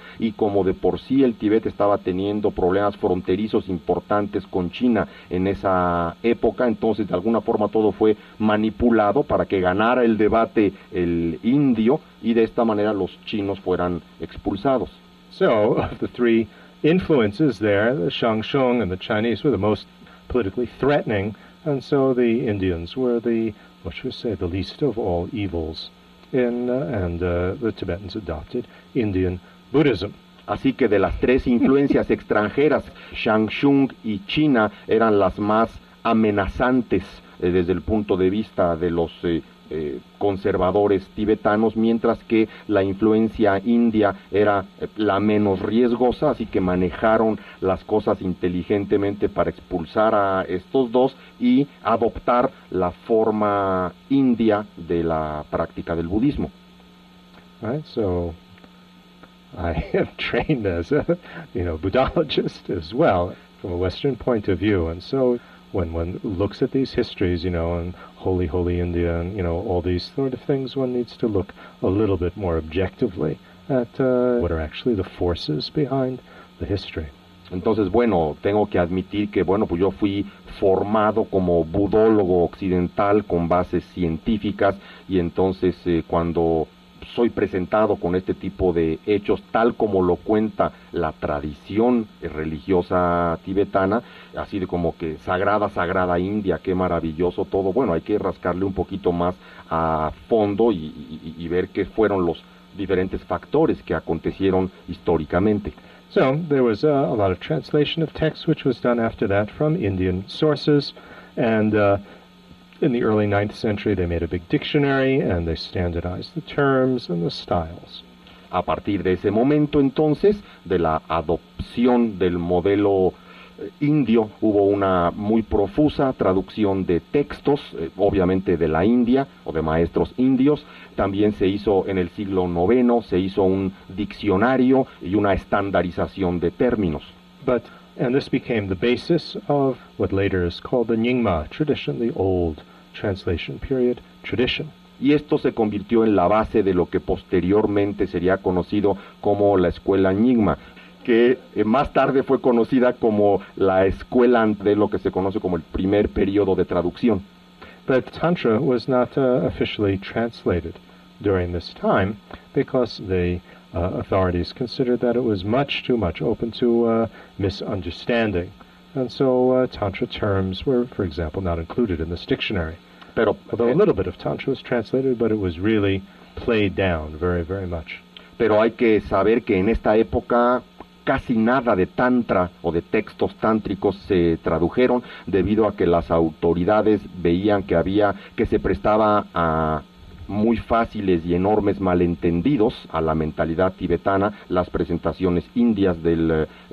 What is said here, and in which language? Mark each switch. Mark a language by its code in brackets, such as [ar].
[es] Y como de por sí el Tíbet estaba teniendo problemas fronterizos importantes con China en esa época, entonces de alguna forma todo fue manipulado para que ganara el debate el indio y de esta manera los chinos fueran expulsados. [en] So, of the three influences there, the Shangshung and the Chinese, were the most politically threatening, and so the Indians were the, what should we say, the least of all evils. The Tibetans adopted Indian Buddhism. [es] Así que de las tres influencias extranjeras, Shangshung y China eran las más amenazantes desde el punto de vista de los conservadores tibetanos, mientras que la influencia india era la menos riesgosa, así que manejaron las cosas inteligentemente para expulsar a estos dos y adoptar la forma india de la práctica del budismo. [en] Right, so I have trained as a, you know, Buddhologist as well from a Western point of view, and so when one looks at these histories, you know, and holy, holy India, and, you know, all these sort of things, one needs to look a little bit more objectively at what are actually the forces behind the history. [es] Entonces, bueno, tengo que admitir que, bueno, pues yo fui formado como budólogo occidental con bases científicas, y entonces cuando soy presentado con este tipo de hechos, tal como lo cuenta la tradición religiosa tibetana, así de como que sagrada, sagrada India, qué maravilloso todo. Bueno, hay que rascarle un poquito más a fondo y ver qué fueron los diferentes factores que acontecieron históricamente. [en] So, there was a lot of translation of texts, which was done after that from Indian sources, and in the early 9th century, they made a big dictionary and they standardized the terms and the styles. [es] A partir de ese momento, entonces, de la adopción del modelo indio, hubo una muy profusa traducción de textos, obviamente de la India o de maestros indios. También se hizo en el siglo IX, se hizo un diccionario y una estandarización de términos. [en] And this became the basis of what later is called the Nyingma tradition, the old translation period tradition. [es] Y esto se convirtió en la base de lo que posteriormente sería conocido como la escuela Nyingma, que más tarde fue conocida como la escuela de lo que se conoce como el primer periodo de traducción. [en] But Tantra was not officially translated during this time because the authorities considered that it was much too much open to misunderstanding. And so Tantra terms were, for example, not included in this dictionary. Although a little bit of Tantra was translated, but it was really played down very, very much. [es] Pero hay que saber que en esta época casi nada de Tantra o de textos tántricos se tradujeron debido a que las autoridades veían que había, que se prestaba a muy fáciles y enormes malentendidos a la mentalidad tibetana, las presentaciones indias del